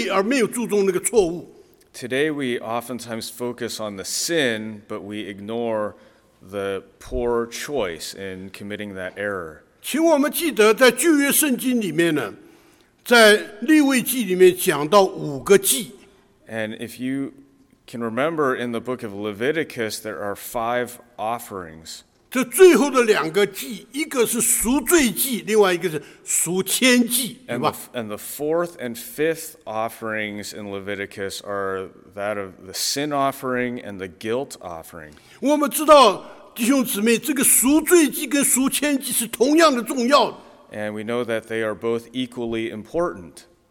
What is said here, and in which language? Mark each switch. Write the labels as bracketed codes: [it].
[zh] 今天我们很多时候呢，我们读圣经，我们只注重那个罪，而没有注重那个错误。 [en] Today we oftentimes focus on the sin, but we ignore the poor choice in committing that error. [zh] 请我们记得在旧约圣经里面呢，在利未记里面讲到五个祭。 [en] And if you can remember in the book of Leviticus, there are five offerings. [zh] 这最后的两个祭，一个是赎罪祭，另外一个是赎愆祭， [en] And the fourth and fifth offerings in Leviticus are that of the sin offering and the guilt offering. [zh] 我们知道 弟兄姊妹，这个赎罪祭跟赎愆祭是同样的重要的。 [en] And we know that they are both equally important.